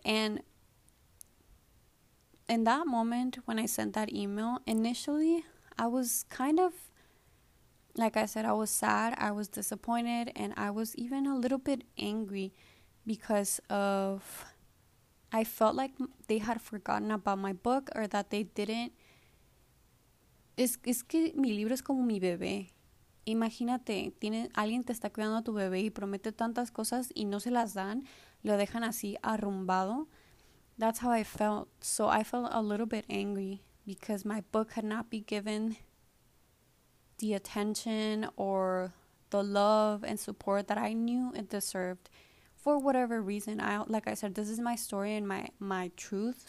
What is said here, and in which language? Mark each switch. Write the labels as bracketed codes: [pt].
[en] And in that moment when I sent that email, initially I was kind of, like I said, I was sad, I was disappointed, and I was even a little bit angry because of, I felt like they had forgotten about my book, or that they didn't. [es] Es que mi libro es como mi bebé. Imagínate, alguien te está cuidando a tu bebé y promete tantas cosas y no se las dan. Lo dejan así arrumbado. [en] That's how I felt. So I felt a little bit angry because my book had not been given the attention or the love and support that I knew it deserved. For whatever reason, like I said, this is my story and my truth.